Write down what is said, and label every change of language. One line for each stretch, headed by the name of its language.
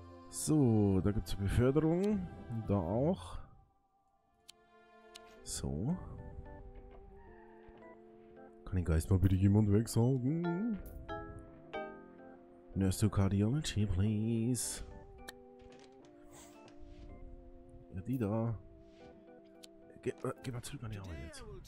German: So, da gibt es Beförderung. Da auch. So. Kann den Geist mal bitte jemand wegsaugen?
English: Nurse to Cardiology, please.
German: Ja, die da. Geh mal zurück an die Arbeit jetzt.